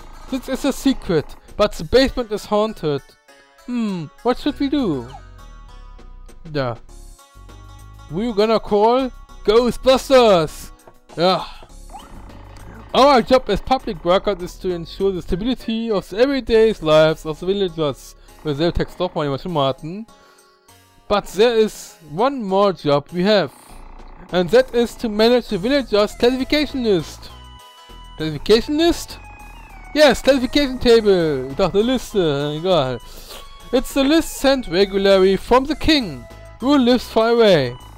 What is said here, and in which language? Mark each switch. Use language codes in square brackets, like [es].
[en] This is a secret, but the basement is haunted. What should we do? Da. We're gonna call Ghostbusters! Yeah. Our job as public workers is to ensure the stability of the everyday lives of the villagers. [de] Wir selbst Text doch mal, den wir schon mal hatten. [en] But there is one more job we have. And that is to manage the villagers' classification list. Classification list? Yes, classification table. [de] Ich dachte Liste, egal. [en] It's the list sent regularly from the king, who lives far away.